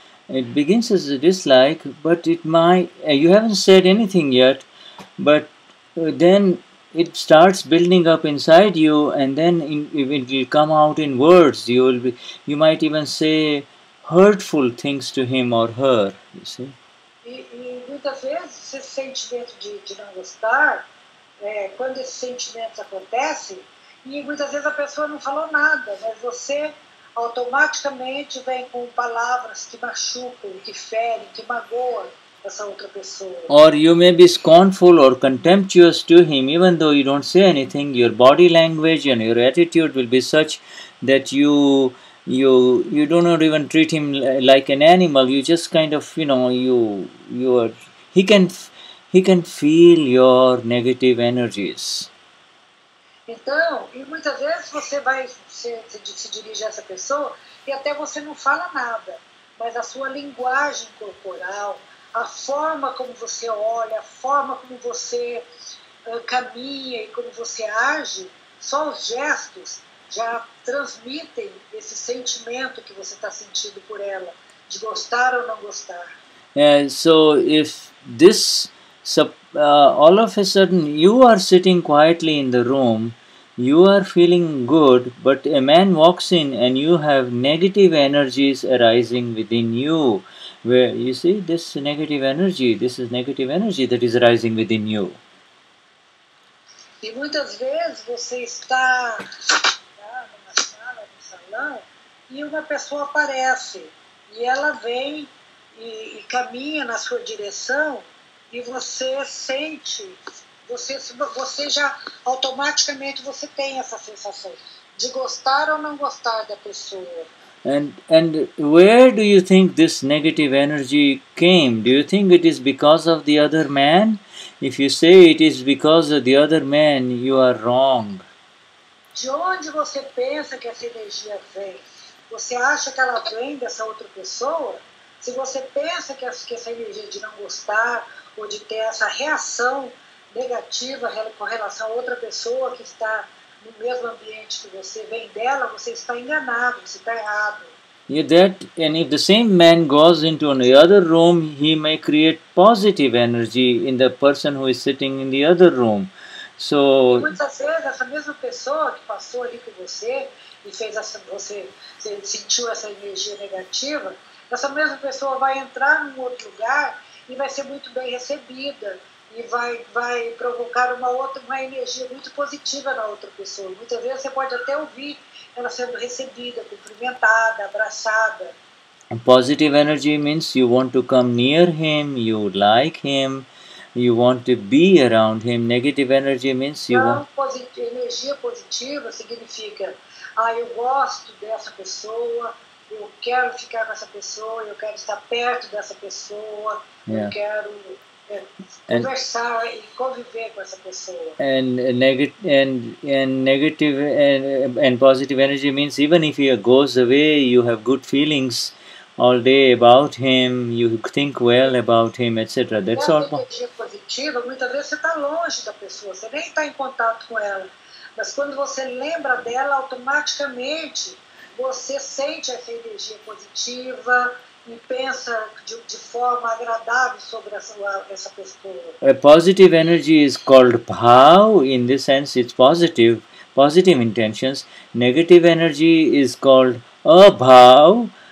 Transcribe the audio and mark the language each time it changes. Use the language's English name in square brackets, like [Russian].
[English] It begins as a dislike, but it might, you haven't said anything yet, but then it starts building up inside you, and then it will come out in words. You will be, you might even say hurtful things to him or her, you see. [Portuguese] E muitas vezes esse sentimento de não gostar, quando esse sentimento acontece, e muitas vezes a pessoa não falou nada, mas você automaticamente vem com palavras que machucam, que ferem, que magoam essa outra pessoa. [English] Or you may be scornful or contemptuous to him, even though you don't say anything, your body language and your attitude will be such that you do not even treat him like an animal. You just kind of, you know, you are, he can feel your negative energies. [Portuguese] Então, e muitas vezes você vai se dirige a essa pessoa e até você não fala nada, mas a sua linguagem corporal, a forma como você olha, a forma como você caminha e como você age, só os gestos já transmitem esse sentimento que você está sentindo por ela, de gostar ou não gostar. [English] So if this, all of a sudden you are sitting quietly in the room, you are feeling good, but a man walks in and you have negative energies arising within you. Where you see this negative energy, this is negative energy that is arising within you. [Portuguese] E muitas vezes você está e uma pessoa aparece e ela vem e caminha na sua direção e você sente, você já automaticamente você tem essa sensação de gostar ou não gostar da pessoa. [English] And where do you think this negative energy came? Do you think it is because of the other man? If you say it is because of the other man, you are wrong. [Portuguese] De onde você pensa que essa energia vem? Você acha que ela vem dessa outra pessoa? Se você pensa que essa energia de não gostar ou de ter essa reação negativa com relação a outra pessoa que está no mesmo ambiente que você vem dela, você está enganado, você está errado. [English] Yeah, that, and if the same man goes into another room, he may create positive energy in the person who is sitting in the other room. So, [Portuguese] muitas vezes essa mesma pessoa que passou ali com você e fez essa, você sentiu essa energia negativa, essa mesma pessoa vai entrar num outro lugar e vai ser muito bem recebida e vai provocar uma energia muito positiva na outra pessoa. Muitas vezes você pode até ouvir ela sendo recebida, cumprimentada, abraçada. [English] Positive energy means you want to come near him, you like him. You want to be around him. Negative energy means you want. [Portuguese] Energia positiva significa, eu gosto dessa pessoa, eu quero ficar com essa pessoa, eu quero estar perto dessa pessoa, yeah. Eu quero conversar e conviver com essa pessoa. [English] And positive energy means even if he goes away, you have good feelings all day about him, you think well about him, etc. That's all. [Portuguese] Positiva, muitas vezes você está longe da pessoa, você nem está em contato com ela. Mas quando você lembra dela, automaticamente você sente essa energia positiva e pensa de forma agradável sobre essa pessoa. [English] A positive energy is called bhav. In this sense, it's positive, positive intentions. Negative energy is called abhav.